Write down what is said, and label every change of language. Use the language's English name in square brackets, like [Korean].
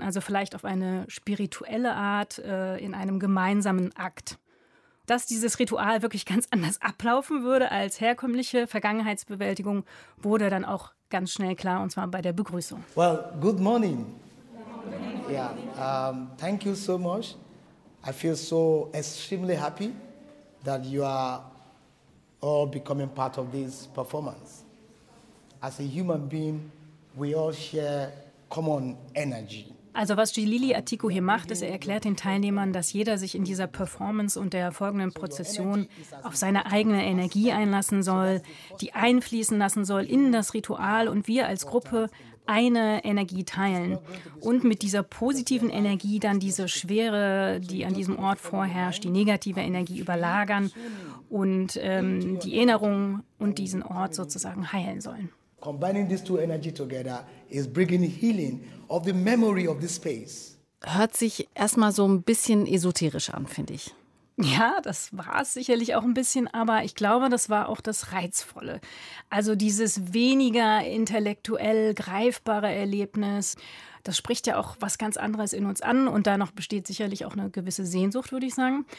[German] Also vielleicht auf eine spirituelle Art, in einem gemeinsamen Akt. Dass dieses Ritual wirklich ganz anders ablaufen würde als herkömmliche Vergangenheitsbewältigung, wurde dann auch ganz schnell klar, und zwar bei der Begrüßung. [English] Well, good morning. Yeah, thank you so much. I feel so extremely happy that you are all becoming part of this performance. As a human being, we all share common energy. [German] Also was Jilili Atiku hier macht, ist, er erklärt den Teilnehmern, dass jeder sich in dieser Performance und der folgenden Prozession auf seine eigene Energie einlassen soll, die einfließen lassen soll in das Ritual und wir als Gruppe eine Energie teilen und mit dieser positiven Energie dann diese Schwere, die an diesem Ort vorherrscht, die negative Energie überlagern und die Erinnerung und diesen Ort sozusagen heilen sollen. [English] Combining these two energy together is bringing healing of the memory of this space. [German] Hört sich erstmal so ein bisschen esoterisch an, finde ich. Ja, das war es sicherlich auch ein bisschen, aber ich glaube, das war auch das Reizvolle. Also dieses weniger intellektuell greifbare Erlebnis, das spricht ja auch was ganz anderes in uns an und danach besteht sicherlich auch eine gewisse Sehnsucht, würde ich sagen.